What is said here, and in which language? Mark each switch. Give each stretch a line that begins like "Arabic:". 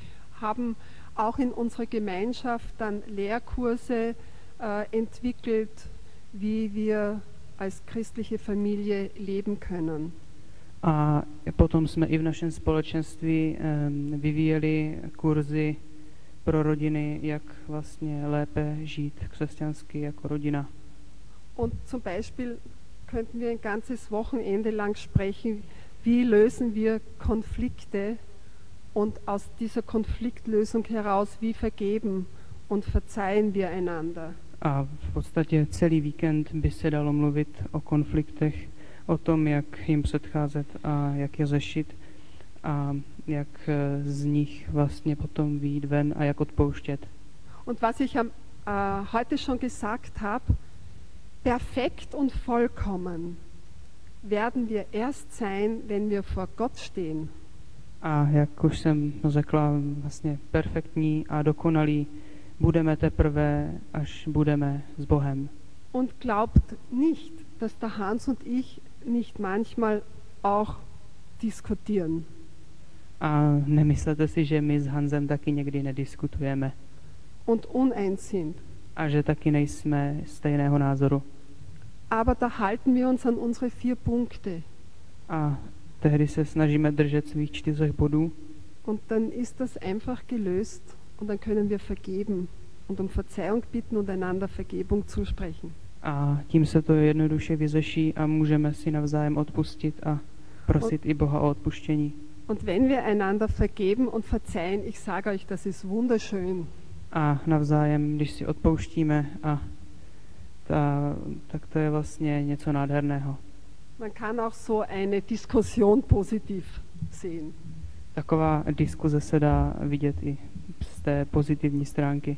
German: Haben auch in unserer Gemeinschaft dann Lehrkurse entwickelt, wie wir als christliche Familie leben können.
Czech: A potom jsme i v našem společenství vyvíjeli kurzy pro rodiny, jak vlastně lépe žít křesťansky jako rodina.
German: Und zum Beispiel könnten wir ein ganzes Wochenende lang sprechen, wie lösen wir Konflikte und aus dieser Konfliktlösung heraus, wie vergeben und verzeihen wir einander.
Czech: A v podstatě celý víkend by se dalo mluvit o konfliktech, o tom, jak jim předcházet a jak je řešit a jak z nich vlastně potom vyjít ven a jak odpouštět.
German: Und was ich am heute schon gesagt habe, perfekt und vollkommen werden wir erst sein, wenn wir vor Gott stehen.
Czech: A jak už jsem řekla, vlastně perfektní a dokonalí budeme teprve, až budeme s Bohem.
German: Und glaubt nicht, dass der Hans und ich nicht manchmal auch diskutieren.
Czech: A nemyslete si, že my s Hansem taky někdy nediskutujeme.
German: Und uneins sind.
Czech: A že taky nejsme stejného názoru.
German: Aber da halten wir uns an unsere vier Punkte.
Czech: A tehdy se snažíme držet svých čtyřech bodů.
German: Und dann ist das einfach gelöst und dann können wir vergeben und um Verzeihung bitten und einander Vergebung zusprechen.
Czech: A tím se to jednoduše vyřeší a můžeme si navzájem odpustit a prosit i Boha o odpuštění.
German: Und wenn wir einander vergeben und verzeihen, ich sage euch, das ist wunderschön.
Czech: A navzájem, když si odpouštíme a tak to je vlastně něco nádherného.
German: Man kann auch so eine Diskussion positiv sehen.
Czech: Taková diskuse se dá vidět i z té pozitivní stránky.